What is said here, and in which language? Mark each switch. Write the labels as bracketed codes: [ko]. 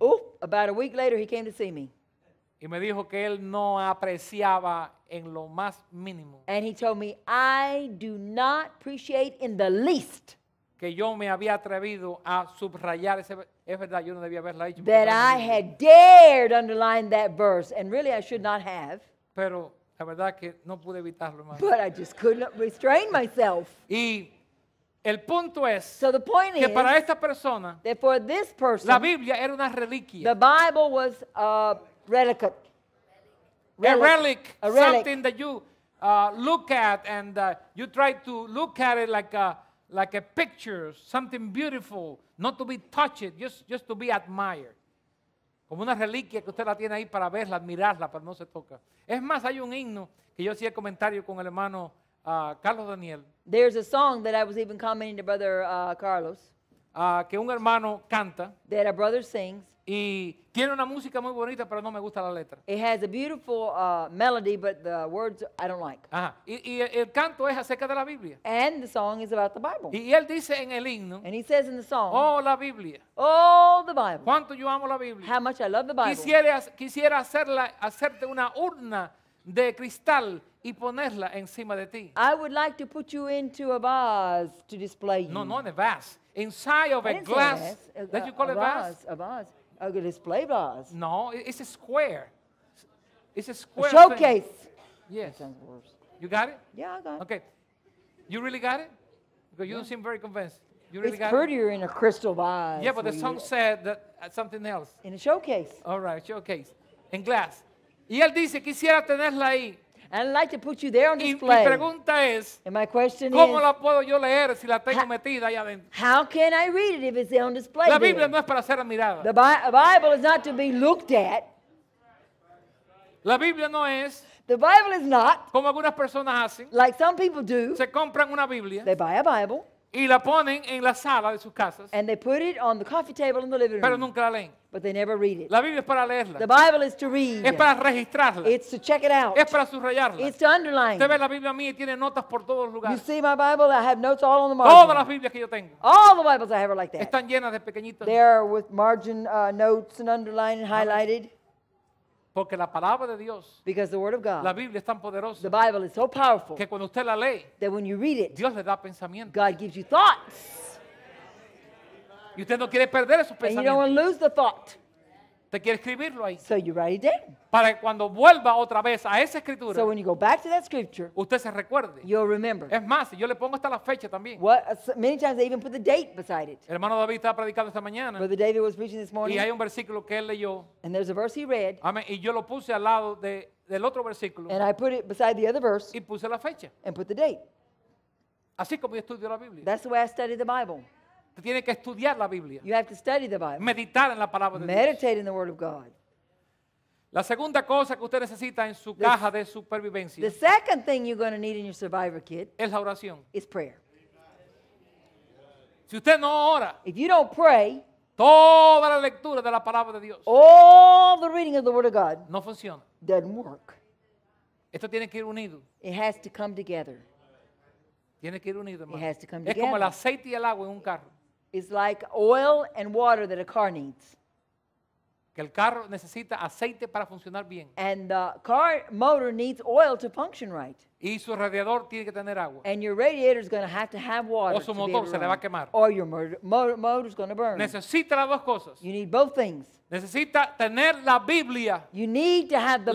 [en] Ooh, about a week later he came to see me. [es] Y me dijo que él no apreciaba en lo más mínimo. [en] And he told me, I do not appreciate in the least. [es] Que yo me había atrevido a subrayar ese. Es verdad, yo no debía haberla hecho. [en] That I had dared underline that verse. And really, I should not have. [es] Pero la verdad que no pude evitarlo más. [en] But I just couldn't restrain myself. [es] Y el punto es. [en] So the point [es] que [en] is. [es] Para esta persona. [en] That for this person. [es] La Biblia era una reliquia. [en] The Bible was a relic. A relic. A relic. Something that you look at and you try to look at it like a picture, something beautiful, not to be touched, just to be admired. [es] Como una reliquia que usted la tiene ahí para verla, admirarla, pero no se toca. Es más, hay un himno que yo hacía comentario con el hermano Carlos Daniel. [en] There's a song that I was even commenting to brother Carlos. [es] Que un hermano canta. [en] That a brother sings. [es] Y tiene una música muy bonita, pero no me gusta la letra. [en] It has a beautiful melody, but the words I don't like. Ajá. [es] Y el canto es acerca de la Biblia. [en] And the song is about the Bible. [es] Y él dice en el himno. [en] And he says in the song. [es] Oh, la Biblia. [en] Oh, the Bible. [es] ¿Cuánto yo amo la Biblia? [en] How much I love the Bible. [es] Quisiera hacerte una urna de cristal y ponerla encima de ti. [en] I would like to put you into a vase to display you. No, no, in a vase. Inside of a glass. Did you call it vase? A vase. A good display vase. No, it's a square. It's a square. A showcase. Thing. Yes. That sounds worse. You got it? Yeah, I got it. Okay. You really got it? Because you don't seem very convinced. You really it's got prettier it? Prettier in a crystal vase. Yeah, but the song said that something else. In a showcase. All right, showcase. In glass. [es] Y él dice, quisiera tenerla ahí. [en] And I'd like to put you there on display. [es] Mi pregunta es, [en] and my question [es] ¿cómo [en] is, [es] la puedo yo leer si la tengo metida ahí adentro? [en] How can I read it if it's there on display? [es] La Biblia no es para ser admirada. [en] The Bible is not to be looked at. [es] La Biblia no es. [en] The Bible is not. [es] Como algunas personas hacen. [en] Like some people do. [es] Se compran una Biblia. [en] They buy a Bible. [es] Y la ponen en la sala de sus casas. [en] And they put it on the coffee table in the living room. [es] Pero nunca la leen. [en] But they never read it. [es] La Biblia es para leerla. [en] The Bible is to read. [es] Es para registrarla. [en] It's to check it out. [es] Es para subrayarla. [en] It's to underline. [es] Usted ve la Biblia mía y tiene notas por todos los lugares. [en] You see my Bible? I have notes all on the margin. [es] Todas las Biblias que yo tengo. [en] All the Bibles I have are like that. [es] Están llenas de pequeñitos. [en] They are with margin notes and underlined and highlighted. [es] Porque la palabra de Dios. [en] Because the word of God. [es] La Biblia es tan poderosa. [en] The Bible is so powerful. [es] Que cuando usted la lee. [en] That when you read it. [es] Dios le da pensamientos. [en] God gives you thoughts. [es] Y usted no quiere perder esos pensamientos. [en] And you don't want to lose the thought. [es] Te quiere escribirlo ahí. [en] So you write it down. [es] Para que cuando vuelva otra vez a esa escritura. [en] So when you go back to that scripture. [es] Usted se recuerde. [en] You'll remember. [es] Es más, yo le pongo hasta la fecha también. [en] What, many times they even put the date beside it. [es] El hermano David estaba predicando esta mañana. [en] Brother David was preaching this morning. [es] Y hay un versículo que él leyó. [en] And there's a verse he read. [es] Amén. Y yo lo puse al lado del otro versículo. [en] And I put it beside the other verse. [es] Y puse la fecha. [en] And put the date. [es] Así como yo estudio la Biblia. [en] That's the way I study the Bible. [es] Tiene que estudiar la Biblia. [en] You have to study the Bible. [es] Meditar en la palabra [en] meditate [es] de Dios. [en] Meditate in the word of God. [es] La segunda cosa que usted necesita en su caja de supervivencia. [en] The second thing you're going to need in your survivor kit. [es] Es la oración. [en] Is prayer. [es] Si usted no ora. [en] If you don't pray. [es] Toda la lectura de la palabra de Dios. [en] All the reading of the Word of God. [es] No funciona. [en] Doesn't work. [es] Esto tiene que ir unido. [en] It has to come together. [es] Tiene que ir unido, hermano. [en] It has to come together. [es] Es como el aceite y el agua en un carro. [en] It's like oil and water that a car needs. [es] Que el carro necesita aceite para funcionar bien. [en] And the car motor needs oil to function right. [es] Y su radiador tiene que tener agua. [en] And your radiator is going to have water. [es] O su motor se le va a quemar. [en] Or your motor is going to burn. [es] Necesita las dos cosas. [en] You need both things. [es] Necesita tener la Biblia. [en] You need to have the